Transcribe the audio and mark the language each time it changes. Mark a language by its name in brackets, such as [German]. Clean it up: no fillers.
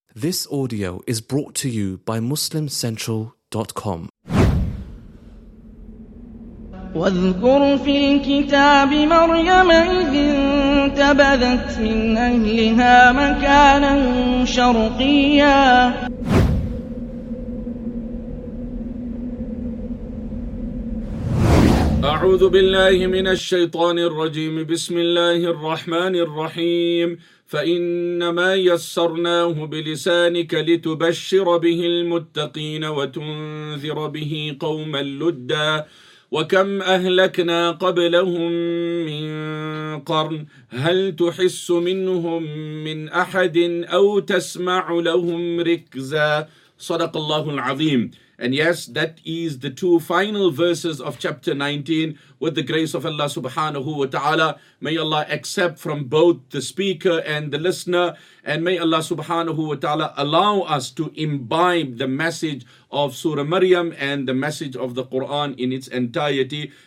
[English] This audio is brought to you by MuslimCentral.com. [Arabic] واذكر في الكتاب مريم إذ انتبذت من أهلها مكانا شرقيا. أعوذ بالله من الشيطان الرجيم. بسم الله الرحمن الرحيم. فإنما يسرناه بلسانك لتبشر به المتقين وتنذر به قوما لدا. وكم أهلكنا قبلهم من قرن هل تحس منهم من أحد أو تسمع لهم ركزا. صدق الله العظيم. [English] And yes, that is the two final verses of chapter 19. With the grace of Allah subhanahu wa ta'ala, may Allah accept from both the speaker and the listener, and may Allah subhanahu wa ta'ala allow us to imbibe the message of Surah Maryam and the message of the Quran in its entirety.